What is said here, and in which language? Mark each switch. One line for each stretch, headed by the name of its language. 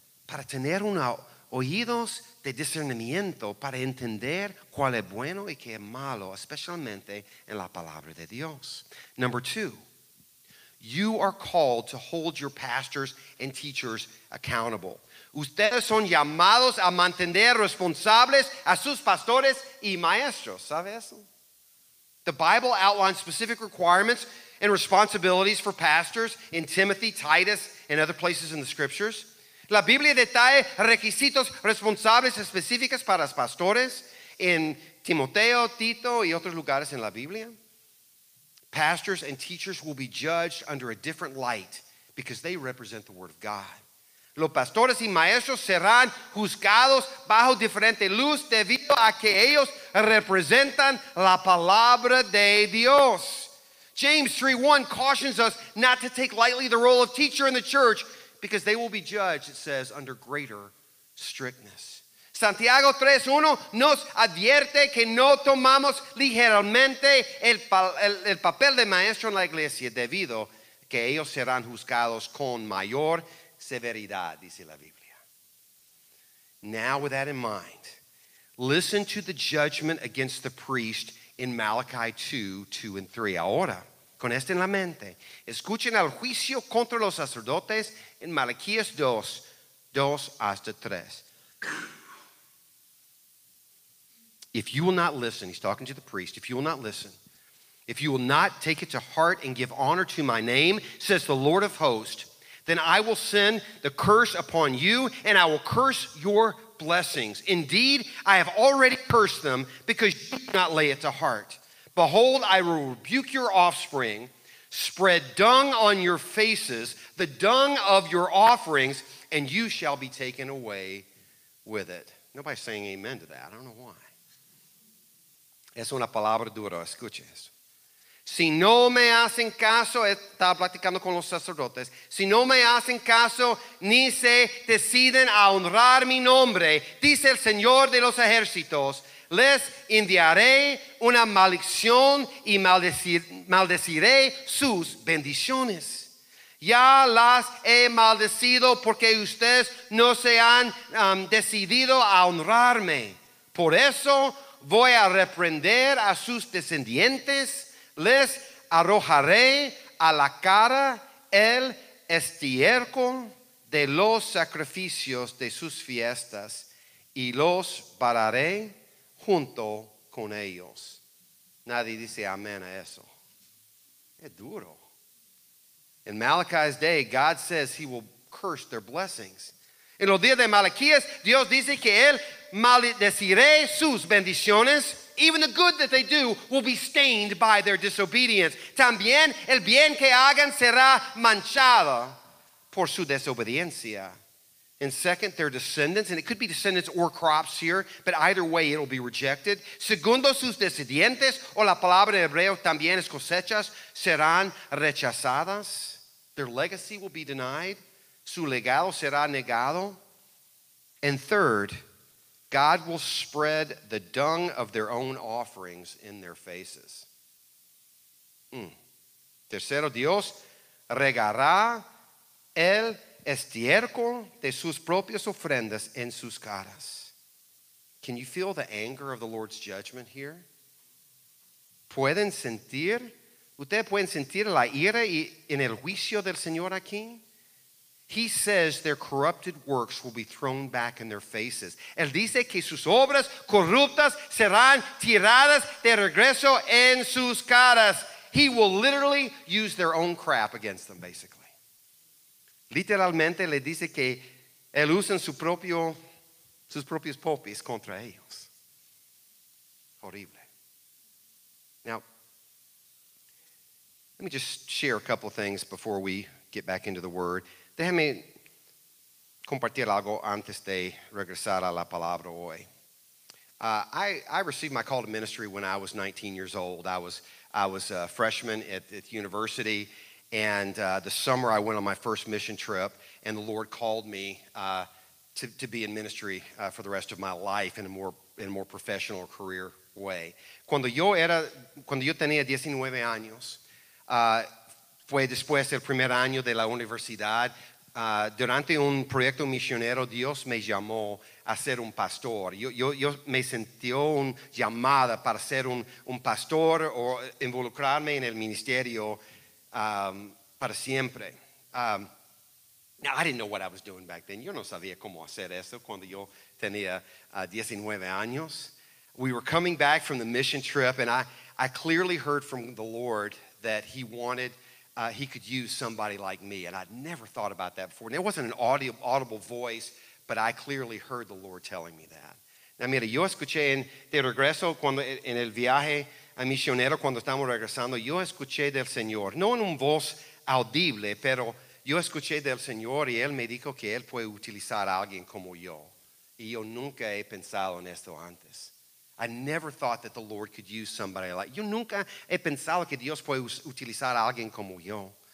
Spanish: Para tener oídos de discernimiento, para entender cuál es bueno y qué es malo, especialmente en la palabra de Dios.
English: Number two, you are called to hold your pastors and teachers accountable.
Spanish: Ustedes son llamados a mantener responsables a sus pastores y maestros. ¿Sabe eso?
English: The Bible outlines specific requirements and responsibilities for pastors in Timothy, Titus, and other places in the Scriptures.
Spanish: La Biblia detalla requisitos responsables específicos para los pastores en Timoteo, Tito, y otros lugares en la Biblia.
English: Pastors and teachers will be judged under a different light because they represent the Word of God.
Spanish: Los pastores y maestros serán juzgados bajo diferente luz debido a que ellos representan la palabra de Dios.
English: James 3:1 cautions us not to take lightly the role of teacher in the church because they will be judged, it says, under greater strictness.
Spanish: Santiago 3:1 nos advierte que no tomamos ligeramente el papel de maestro en la iglesia debido a que ellos serán juzgados con mayor severidad, dice la Biblia.
English: Now, with that in mind, listen to the judgment against the priest in Malachi 2:2-3.
Spanish: Ahora, con esto en la mente, escuchen el juicio contra los sacerdotes en Malaquías 2:2-3.
English: If you will not listen, he's talking to the priest, if you will not listen, if you will not take it to heart and give honor to my name, says the Lord of hosts, then I will send the curse upon you, and I will curse your blessings. Indeed, I have already cursed them because you do not lay it to heart. Behold, I will rebuke your offspring, spread dung on your faces, the dung of your offerings, and you shall be taken away with it. Nobody's saying amen to that. I don't know why.
Spanish: Es una palabra dura. Escuche eso. Si no me hacen caso, está platicando con los sacerdotes. Si no me hacen caso, ni se deciden a honrar mi nombre, dice el Señor de los ejércitos, les enviaré una maldición y maldeciré sus bendiciones. Ya las he maldecido porque ustedes no se han decidido a honrarme. Por eso voy a reprender a sus descendientes. Les arrojaré a la cara el estiércol de los sacrificios de sus fiestas y los pararé junto con ellos. Nadie dice amén a eso. Es duro.
English: In Malachi's day, God says he will curse their blessings.
Spanish: En los días de Malaquías, Dios dice que él maldecirá sus bendiciones.
English: Even the good that they do will be stained by their disobedience.
Spanish: También el bien que hagan será manchado por su desobediencia.
English: And second, their descendants, and it could be descendants or crops here, but either way it will be rejected.
Spanish: Segundo, sus descendientes, o la palabra en hebreo también es cosechas, serán rechazadas.
English: Their legacy will be denied.
Spanish: Su legado será negado.
English: And third, God will spread the dung of their own offerings in their faces.
Spanish: Tercero, Dios regará el estiércol de sus propias ofrendas en sus caras.
English: Can you feel the anger of the Lord's judgment here?
Spanish: Ustedes pueden sentir la ira y en el juicio del Señor aquí.
English: He says their corrupted works will be thrown back in their faces.
Spanish: Él dice que sus obras corruptas serán tiradas de regreso en sus caras.
English: He will literally use their own crap against them, basically.
Spanish: Literalmente le dice que él usa sus propios popis contra ellos. Horrible.
English: Now, let me just share a couple things before we get back into the word.
Spanish: Déjame compartir algo antes de regresar a la palabra hoy.
English: I received my call to ministry when I was 19 years old. I was a freshman at the university, and the summer I went on my first mission trip, and the Lord called me to be in ministry for the rest of my life in a more professional career way.
Spanish: Cuando yo tenía 19 años, fue después del primer año de la universidad. Durante un proyecto misionero, Dios me llamó a ser un pastor. Yo me sentí una llamada para ser un pastor o involucrarme en el ministerio para siempre.
English: Now, I didn't know what I was doing back then.
Spanish: Yo no sabía cómo hacer eso cuando yo tenía 19 años.
English: We were coming back from the mission trip, and I clearly heard from the Lord that he wanted he could use somebody like me, and I'd never thought about that before. And it wasn't an audible voice, but I clearly heard the Lord telling me that.
Spanish: Now, mira, yo escuché de regreso cuando en el viaje a misionero cuando estamos regresando, yo escuché del Señor, no en un voz audible, pero yo escuché del Señor y él me dijo que él puede utilizar a alguien como yo. Y yo nunca he pensado en esto antes.
English: I never thought that the Lord could use somebody like you.
Spanish: Nunca he pensado que Dios puede utilizar a alguien como yo.